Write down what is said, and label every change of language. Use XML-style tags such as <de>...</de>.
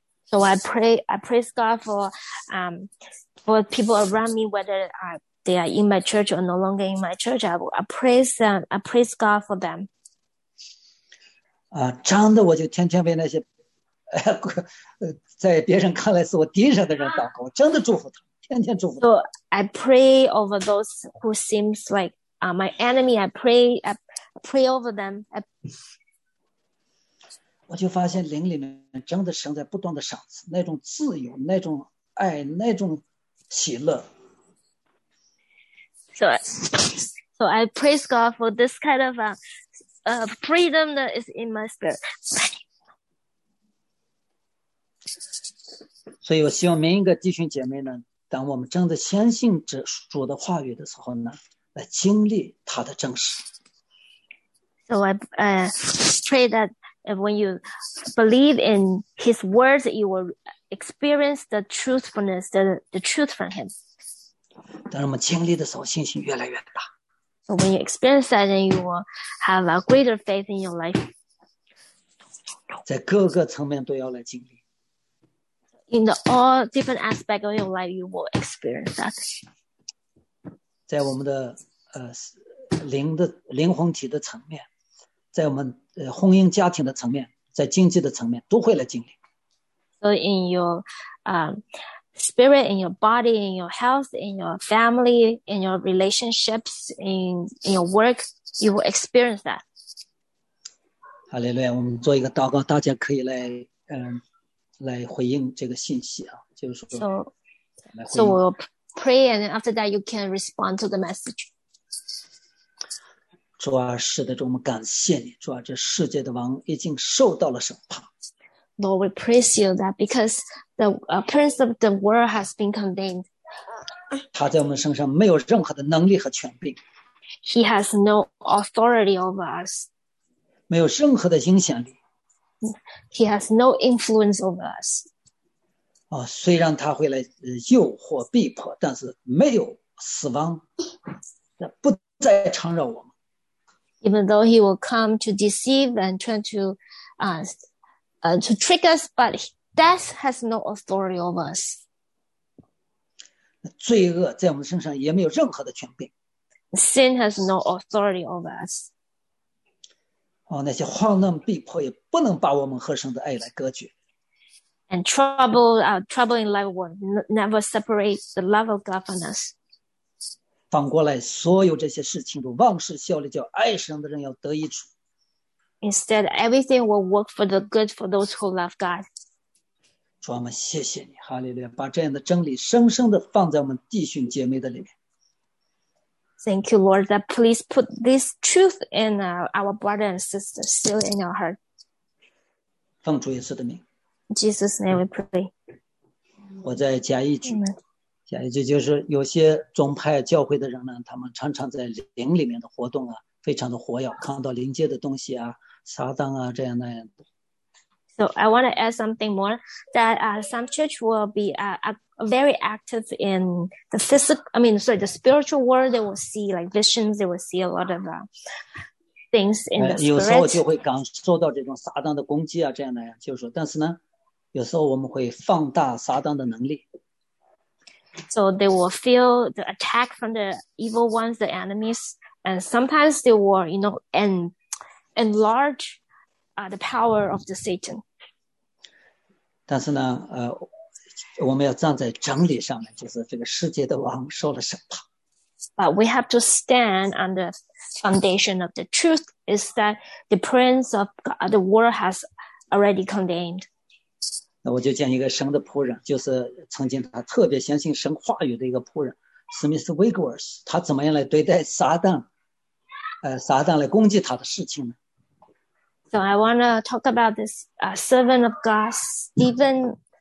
<en>So I praise God for people around me, whether they are in my church or no longer in my church. I praise God for them.</en> <zh>真的我就天天为那些在别人看来是我敌人的人祷告，真的祝福他，天天祝福他。</zh> <en>So I pray over those who seems like my enemy. I pray over them.</en> <zh>我就发现灵里面真的神在不断的赏赐那种自由、那种爱、那种喜乐。</zh> <en>So I praise God for this kind of freedom that is in my spirit.</en> <zh>所以我希望每一个弟兄姐妹呢，当我们真的相信主的话语的时候呢，来经历他的真实。</zh> <en>So I pray that when you believe in his words, you will experience the truthfulness, the truth from him.</en> <zh>当我们经历的时候，信心越来越大。</zh> <en>So when you experience that, then you will have a greater faith in your life.</en> <zh>在各个层面都要来经历。</zh> <en>In the all different aspects of your life, you will experience that.</en> <zh>在我们的灵的灵魂体的层面，在我们婚姻家庭的层面，在经济的层面，都会来经历。</zh> <en>So in your spirit, in your body, in your health, in your family, in your relationships, in your work, you will experience that.</en> <zh>哈利路亚，我们做一个祷告，大家可以来来回应这个信息啊，就是说</zh> <en>So we'll pray and after that you can respond to the message.</en> <zh>主啊，是的，主，我们感谢你，主啊，这世界的王已经受到了审判。</zh> <en>Lord, we praise you that because the prince of the world has been condemned.</en> <zh>他在我们身上没有任何的能力和权柄。</zh> <en>He has no authority over us.</en> <zh>没有任何的影响力。</zh> <en>He has no influence over us.</en> <zh>啊，虽然他会来诱惑逼迫，但是没有死亡，不再缠绕我们。</zh> <en>Even though he will come to deceive and try to trick us, but death has no authority over us.</en> <zh>罪恶在我们身上也没有任何的权柄。</zh> <en>Sin has no authority over us.</en> <zh>哦，那些患难逼迫也不能把我们和神的爱来隔绝。</zh> <en>And trouble in life will never separate the love of God from us.</en> <zh>反过来，所有这些事情都万事效力，叫爱神的人要得益处。</zh> <en>Instead, everything will work for the good for those who love God.</en> <zh>主，我们谢谢你，哈利路亚，把这样的真理深深的放在我们弟兄姐妹的里面。</zh> <en>Thank you, Lord, that please put this truth in our brother and sister, still in our heart.</en> <zh>奉主耶稣的名。</zh> <en>Jesus' name, we pray.</en> <zh>我再加一句，加一句就是有些宗派教会的人呢，他们常常在灵里面的活动啊，非常的活跃，看到灵界的东西啊，撒旦啊这样那样的。</zh> <en>So I want to add something more that some church will be very active in the physical. I mean, sorry, the spiritual world. They will see like visions. They will see a lot of things in the spirit.</en> <zh>有时候就会感受到这种撒旦的攻击啊，这样那样，就是说，但是呢。有时候我们会放大撒旦的能力。</zh> <en>So they will feel the attack from the evil ones, the enemies, and sometimes they will, you know, enlarge the power of the Satan.</en> <zh>但是呢，我们要站在真理上面，就是这个世界的王受了审判。</zh> <en>But we have to stand on the foundation of the truth is that the prince of God, the world has already condemned.</en> <zh>我就见一个神的仆人，就是曾经他特别相信神话语的一个仆人，史密斯·威格尔斯，他怎么样来对待撒旦？撒旦来攻击他的事情呢</zh> <en>？So I want to talk about this servant of God, Stephen.</en>